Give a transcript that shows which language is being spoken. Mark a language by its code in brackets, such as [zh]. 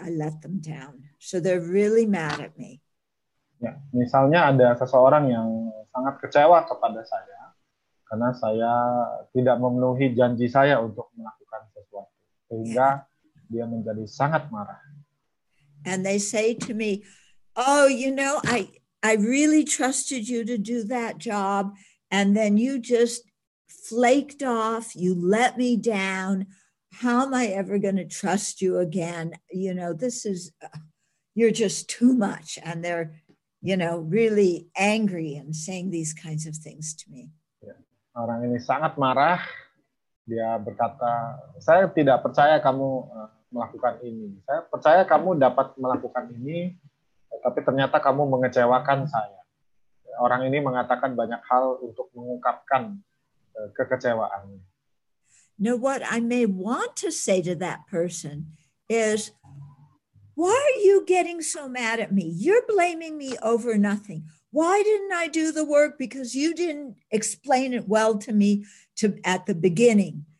[en] I let them down. So they're really mad at me. [id] Ya, misalnya ada seseorang yang sangat kecewa kepada saya karena saya tidak memenuhi janji saya untuk melakukan sesuatu. Sehingga dia menjadi sangat marah. [en] And they say to me, "Oh, you know, I really trusted you to do that job and then you just flaked off. You let me down. How am I ever going to trust you again? You know, this is, you're just too much." And they're, you know, really angry and saying these kinds of things to me. [id] Orang ini sangat marah. Dia berkata, "Saya tidak percaya kamu melakukan ini. Saya percaya kamu dapat melakukan ini, tapi ternyata kamu mengecewakan saya." Orang ini mengatakan banyak hal untuk mengungkapkan kekecewaannya. [en] Now, what I may want to say to that person is, "Why are you getting so mad at me? You're blaming me over nothing. Why didn't I do the work? Because you didn't explain it well to me at the beginning.